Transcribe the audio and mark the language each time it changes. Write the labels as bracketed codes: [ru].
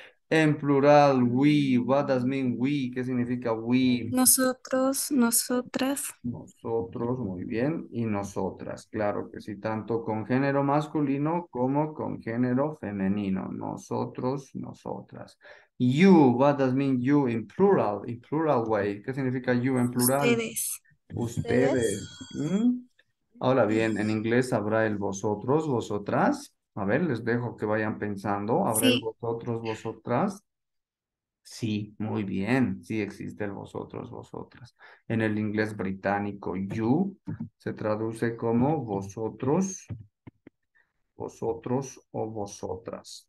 [es] En plural, [en] we. What does mean we? [es] ¿Qué significa we? Nosotros, nosotras. Nosotros, muy bien, y nosotras, claro que sí, tanto con género masculino como con género femenino, nosotros, nosotras. [en] You, what does mean you in plural way? [es] ¿Qué significa you en plural? Ustedes. Ustedes. Ustedes. Ahora bien, en inglés habrá el vosotros, vosotras. A ver, les dejo que vayan pensando. ¿Habrá el Sí. vosotros, vosotras? Sí, muy bien. Sí existe el vosotros, vosotras. En el inglés británico, you se traduce como vosotros, vosotros o vosotras.